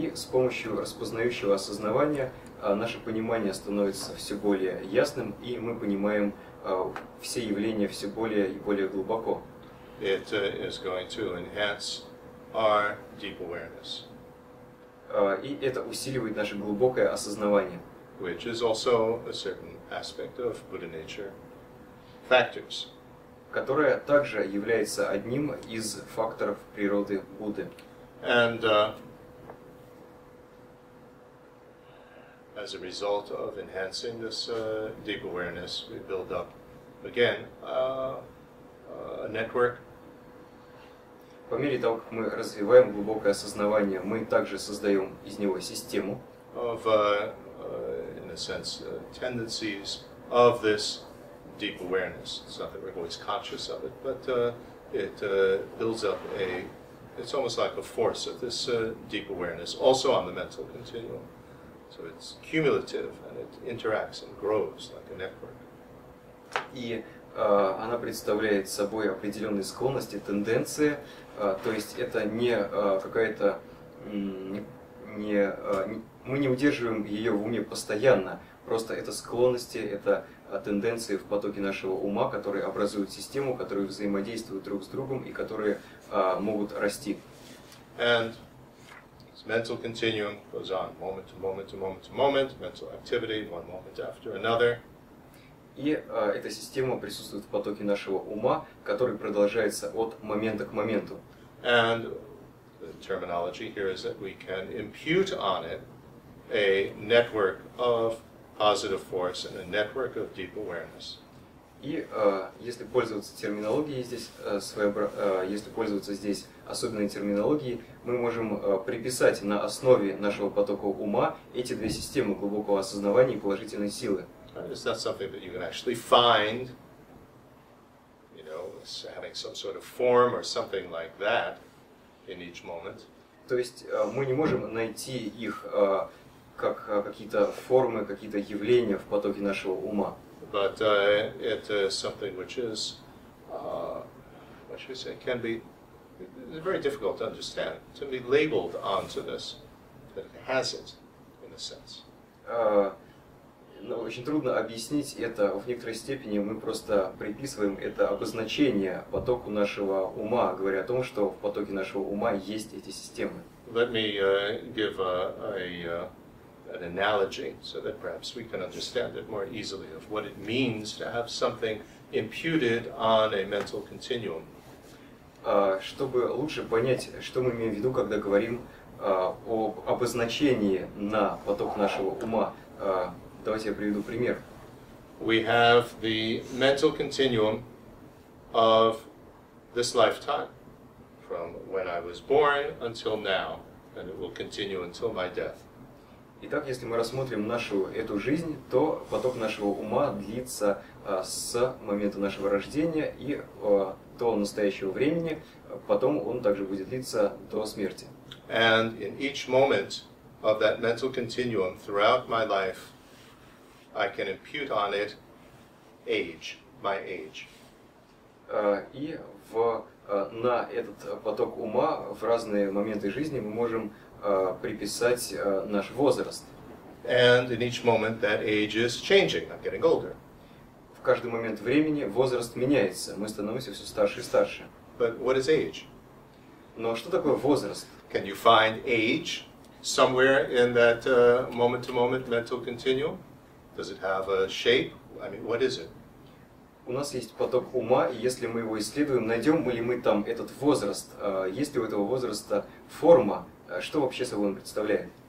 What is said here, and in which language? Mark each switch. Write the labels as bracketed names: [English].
[Russian] И с помощью распознающего осознавания наше понимание становится все более ясным, и мы понимаем все явления все более и более глубоко. [English] It is going to enhance are deep awareness. [Russian] И это усиливает наше глубокое осознавание. [English] Which is also a certain aspect of Buddha nature factors. [Russian] Которая также является одним из факторов природы Будды. [English] And as a result of enhancing this deep awareness, we build up, again, a network. [Russian] По мере того, как мы развиваем глубокое осознавание, мы также создаем из него систему. [English] Of, in a sense, tendencies of this deep awareness. It's not that we're always conscious of it, but it builds up a, it's almost like a force of this deep awareness, also on the mental continuum. So it's cumulative, and it interacts and grows like a network. [Russian] И она представляет собой определенные склонности, тенденции, то есть это не какая-то, мы не удерживаем ее в уме постоянно, просто это склонности, это тенденции в потоке нашего ума, которые образуют систему, которые взаимодействуют друг с другом и которые могут расти. [English] And this mental continuum goes on, moment to moment to moment to moment, mental activity, one moment after another. [Russian] И эта система присутствует в потоке нашего ума, который продолжается от момента к моменту. [English] And the terminology here is that we can impute on it a network of positive force and a network of deep awareness. [Russian] И если пользоваться терминологией здесь, если пользоваться здесь особенной терминологией, мы можем приписать на основе нашего потока ума эти две системы глубокого осознавания и положительной силы. [English] It's not something that you can actually find, you know, having some sort of form or something like that in each moment. [Russian] То есть мы не можем найти их как какие-то формы, какие-то явления в потоке нашего ума. [English] But it is something which is, what should I say, can be very difficult to understand, to be labeled onto this, that it has it, in a sense. [Russian] Но очень трудно объяснить это. В некоторой степени мы просто приписываем это обозначение потоку нашего ума, говоря о том, что в потоке нашего ума есть эти системы. [English] Let me give an analogy so that perhaps we can understand it more easily of what it means to have something imputed on a mental continuum. [Russian] Чтобы лучше понять, что мы имеем в виду, когда говорим об обозначении на поток нашего ума, давайте я приведу пример. [English] We have the mental continuum of this lifetime, from when I was born until now, and it will continue until my death. [Russian] Итак, если мы рассмотрим нашу эту жизнь, то поток нашего ума длится с момента нашего рождения и до настоящего времени, потом он также будет длиться до смерти. [English] And in each moment of that mental continuum throughout my life, I can impute on it age, my age. [Russian] И в на этот поток ума в разные моменты жизни мы можем приписать наш возраст. [English] And in each moment that age is changing, I'm getting older. [Russian] В каждый момент времени возраст меняется, мы становимся все старше и старше. [English] But what is age? [Russian] Но что такое возраст? [English] Can you find age somewhere in that moment-to-moment mental continuum? Does it have a shape? I mean, what is it? [Russian] У нас есть поток ума, и если мы его исследуем, найдем ли мы там этот возраст? Есть ли у этого возраста форма? Что вообще собой он представляет?